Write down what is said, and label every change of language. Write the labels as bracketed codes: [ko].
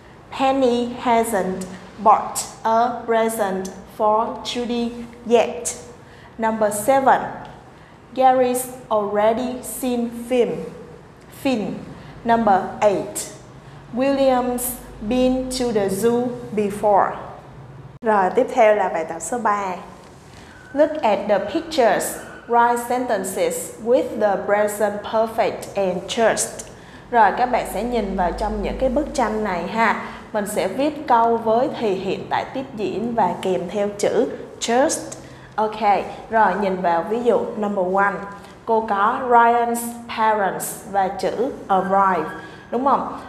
[en] Penny hasn't bought a present for Judy yet. Number 7. Gary's already seen Finn. Number 8. William's been to the zoo before. [vi] Rồi tiếp theo là bài tập số 3. [en] Look at the pictures. Write sentences with the present perfect and just. [vi] Rồi các bạn sẽ nhìn vào trong những cái bức tranh này ha. Mình sẽ viết câu với thì hiện tại tiếp diễn và kèm theo chữ just. Ok, rồi nhìn vào ví dụ number 1. Cô có Ryan's parents và chữ arrive. Đúng không?